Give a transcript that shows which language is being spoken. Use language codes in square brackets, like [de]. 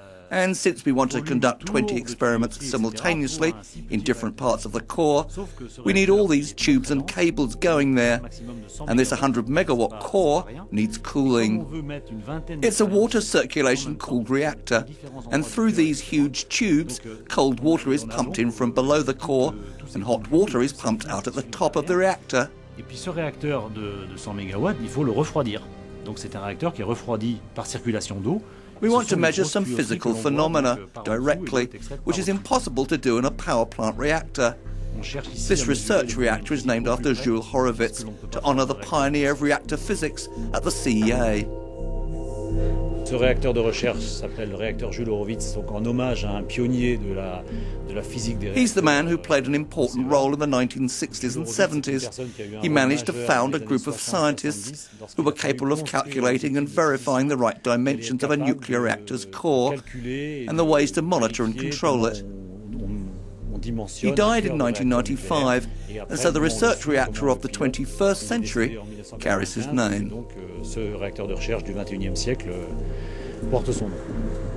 [en] And since we want to conduct 20 experiments simultaneously in different parts of the core, we need all these tubes and cables going there. And this 100 megawatt core needs cooling. It's a water circulation cooled reactor. And through these huge tubes, cold water is pumped in from below the core and hot water is pumped out at the top of the reactor. [fr] Et puis ce réacteur de 100 MW, il faut le refroidir. Donc c'est un réacteur qui est refroidi par circulation d'eau. [en] We want to measure some physical phenomena directly, which is impossible to do in a power plant reactor. This research reactor is named after Jules Horowitz to honor the pioneer of reactor physics at the CEA. [fr] Ce réacteur de recherche s'appelle le réacteur Jules Horowitz, donc en hommage à un pionnier de la physique des réacteurs. [en] He's the man who played an important role in the 1960s and 70s. He managed to found a group of scientists who were capable of calculating and verifying the right dimensions of a nuclear reactor's core and the ways to monitor and control it. He died in 1995, and so the research reactor of the 21st century carries his name.